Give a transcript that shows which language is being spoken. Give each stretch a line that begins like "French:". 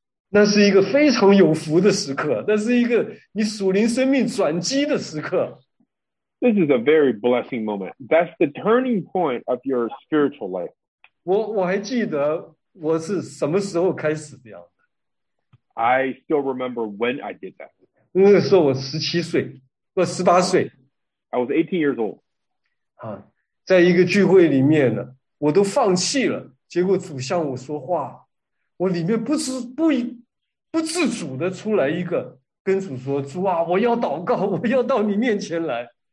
Chinese: 那是一个非常有福的时刻，那是一个你属灵生命转机的时刻。
English: This is a very blessing moment. That's the turning point of your spiritual life.
Chinese: 我还记得我是什么时候开始这样的。
English: I still remember when I did that.
Chinese: 那时候我十八岁。
English: I was 18 years old.
Chinese: 啊，在一个聚会里面呢，我都放弃了，结果主向我说话，我里面不自主的出来一个跟主说，主啊，我要祷告，我要到你面前来。